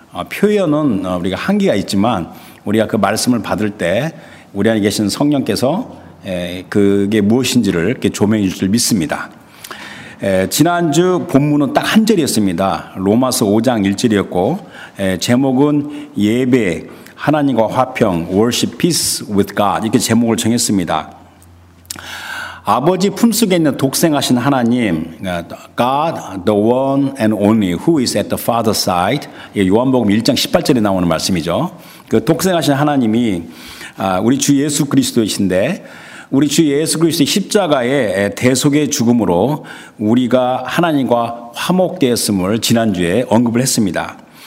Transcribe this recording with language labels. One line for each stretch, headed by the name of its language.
Korean: 표현은 우리가 한계가 있지만 우리가 그 말씀을 받을 때 우리 안에 계신 성령께서 그게 무엇인지를 이렇게 조명해 주실 줄 믿습니다. 지난주 본문은 딱 한 절이었습니다. 로마서 5장 1절이었고 제목은 예배 하나님과 화평
English: Worship Peace with God
Korean: 이렇게 제목을 정했습니다. 아버지 품속에 있는 독생하신 하나님,
English: God, the one and only, who is at the Father's side.
Korean: 요한복음 1장 18절에 나오는 말씀이죠. 그 독생하신 하나님이 우리 주 예수 그리스도이신데 우리 주 예수 그리스도의 십자가의 대속의 죽음으로 우리가 하나님과 화목되었음을 지난주에 언급을 했습니다.